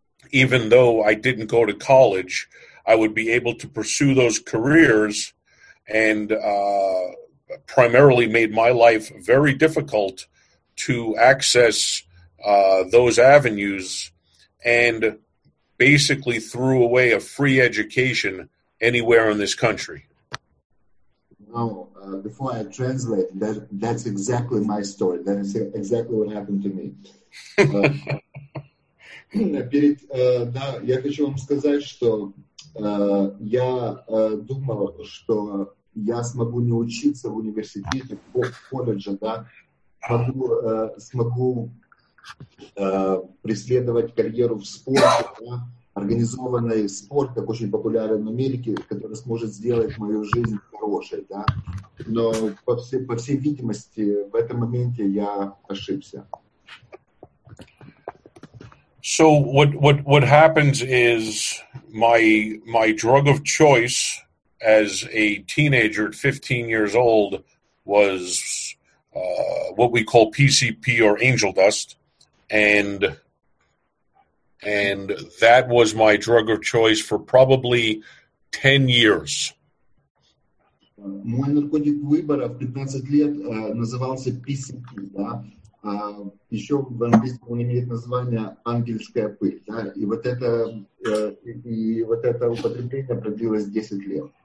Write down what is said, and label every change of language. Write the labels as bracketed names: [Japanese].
[English] even though I didn't go to college, I would be able to pursue those careers, and primarily made my life very difficult to access those avenues, and basically threw away a free education anywhere in this country. Now, before I translate, that's exactly my story. That is exactly what happened to me. [Russian] Перед, да, я хочу вам сказать, что я думал, что я смогу не учиться в университете, в колледже, да, смогу преследовать карьеру в спорте, да, организованный спорт, как очень популярен в Америке, который сможет сделать мою жизнь хорошей, да. Но по всей видимости, в этом моменте я ошибся. [English] So what happens is my drug of choice as a teenager at 15 years old was what we call PCP or angel dust, and that was my drug of choice for probably 10 years. [Russian] Мой наркотик выбора в 15 лет назывался PCP, да? Еще в английском он имеет название ангельская пыль, да? И вот это употребление продлилось 10 лет.